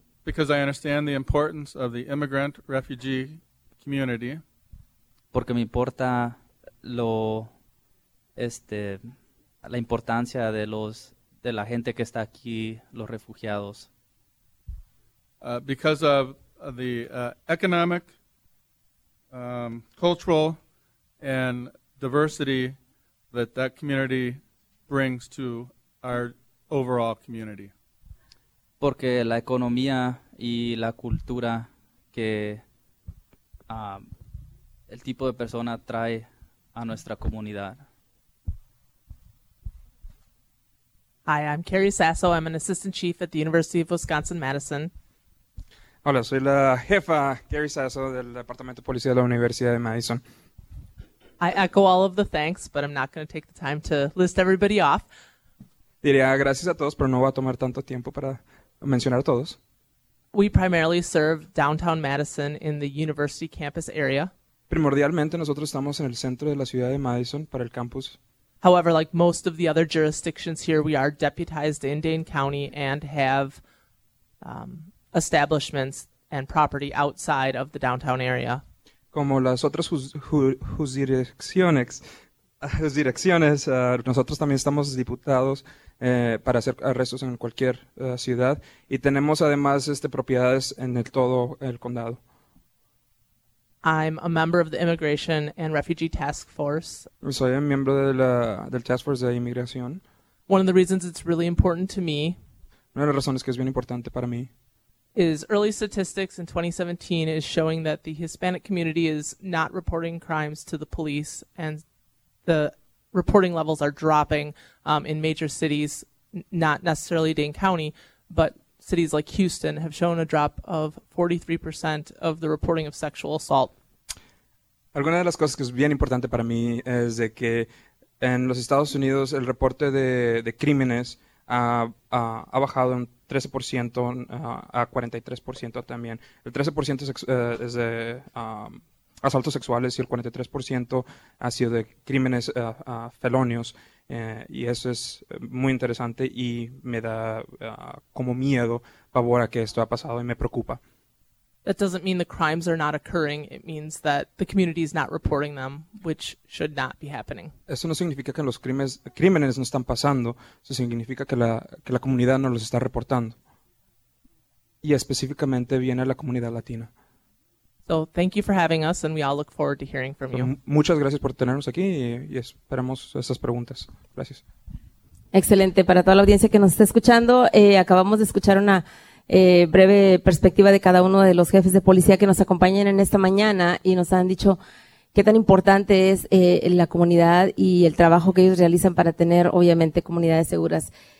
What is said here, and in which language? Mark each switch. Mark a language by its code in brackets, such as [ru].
[en] Because I understand the importance of the immigrant refugee community. [es] Porque me importa la importancia de la gente que está aquí, los refugiados. [en] Because of the economic, cultural, and diversity that community brings to our overall community. [es] Porque la economía y la cultura que el tipo de persona trae a nuestra comunidad. [en] Hi, I'm Carrie Sasso. I'm an assistant chief at the University of Wisconsin-Madison. [es] Hola, soy la jefa Carrie Sasso del Departamento de Policía de la Universidad de Madison. [en] I echo all of the thanks, but I'm not going to take the time to list everybody off. [es] Diría gracias a todos, pero no voy a tomar tanto tiempo para mencionar a todos. [en] We primarily serve downtown Madison in the university campus area. [es] Primordialmente, nosotros estamos en el centro de la ciudad de Madison para el campus. [en] However, like most of the other jurisdictions here, we are deputized in Dane County and have establishments and property outside of the downtown area. [es] Como las otras jurisdicciones, nosotros también estamos diputados para hacer arrestos en cualquier ciudad y tenemos además propiedades en todo el condado. [en] I'm a member of the Immigration and Refugee Task Force. [es] Soy un miembro de la, del Task Force de Inmigración. [en] One of the reasons it's really important to me, [es] una de las razones que es bien importante para mí, [en] is early statistics in 2017 is showing that the Hispanic community is not reporting crimes to the police, and the reporting levels are dropping in major cities, not necessarily Dane County, but cities like Houston have shown a drop of 43% of the reporting of sexual assault. [es] Alguna de las cosas que es bien importante para mí es de que en los Estados Unidos el reporte de crímenes ha bajado un 13% a 43% también. El 13% es de asaltos sexuales y el 43% ha sido de crímenes felonios. Y eso es muy interesante y me da como miedo, pavor a que esto ha pasado y me preocupa. [en] That doesn't mean the crimes are not occurring. It means that the community is not reporting them, which should not be happening. [es] Eso no significa que los crímenes no están pasando. Eso significa que la comunidad no los está reportando. Y específicamente viene la comunidad latina. [en] So thank you for having us, and we all look forward to hearing from you. [es] Muchas gracias por tenernos aquí y esperamos estas preguntas. Gracias. Excelente. Para toda la audiencia que nos está escuchando, acabamos de escuchar una breve perspectiva de cada uno de los jefes de policía que nos acompañan en esta mañana y nos han dicho qué tan importante es la comunidad y el trabajo que ellos realizan para tener, obviamente, comunidades seguras.